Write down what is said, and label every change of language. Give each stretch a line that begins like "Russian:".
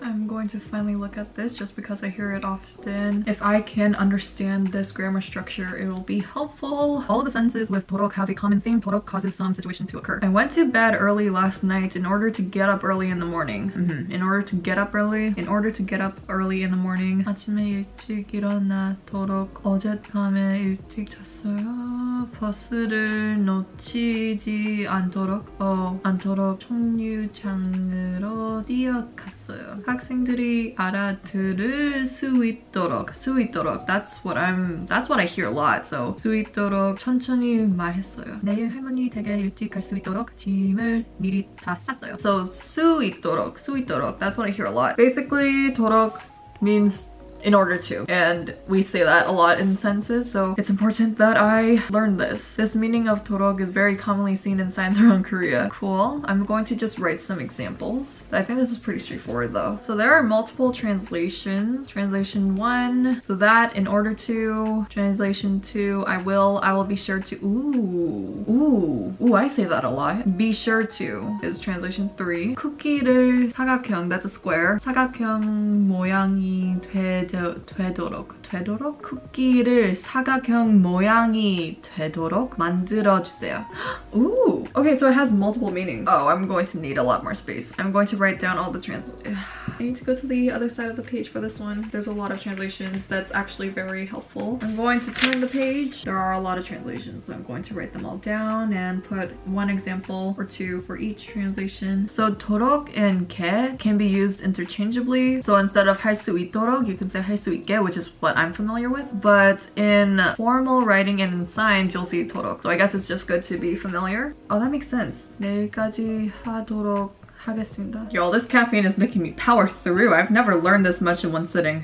English: I'm going to finally look at this just because I hear it often. If I can understand this grammar structure, it will be helpful. All of the sentences with 도록 have a common theme. 도록 causes some situation to occur. I went to bed early last night in order to get up early in the morning. Mm-hmm. In order to get up early. In order to get up early in the morning.
Korean: 아침에 일찍 일어나도록 어젯밤에 일찍 잤어요. 버스를 놓치지 않도록 안도록 청류장으로 뛰어 갔어요. 학생들이 알아들을 수 있도록. 수 있도록.
English: That's what I hear a lot. So
Korean: 수 있도록 천천히 말했어요. 내일 할머니 댁에 일찍 갈 수 있도록 짐을 미리 다 쌌어요.
English: So
Korean: 수 있도록. 수 있도록.
English: That's what I hear a lot. Basically 도록 means in order to, and we say that a lot in sentences, so it's important that I learn this. This meaning of 도록 is very commonly seen in signs around Korea. Cool. I'm going to just write some examples. I think this is pretty straightforward though. So there are multiple translations. Translation 1, so that, in order to. Translation 2, I will be sure to. Ooh. Ooh. Ooh, I say that a lot. Be sure to is translation 3.
Korean: 쿠키를 사각형,
English: that's a square.
Korean: 사각형 모양이 되도록. 되도록 쿠키를 사각형 모양이 되도록 만들어 주세요.
English: Ooh. Okay, so it has multiple meanings. Oh, I'm going to need a lot more space. I'm going to write down all the translations. I need to go to the other side of the page for this one. There's a lot of translations that's actually very helpful. I'm going to turn the page. There are a lot of translations, so I'm going to write them all down and put one example or two for each translation. So 도록 and 게 can be used interchangeably. So instead of
Korean: 할 수 있도록,
English: you can say
Korean: 할 수 있게,
English: which is what I'm familiar with. But in formal writing and in signs, you'll see 도록. So I guess it's just good to be familiar. Oh, that makes sense.
Korean: 내일까지 하도록 하겠습니다.
English: Y'all, this caffeine is making me power through. I've never learned this much in one sitting.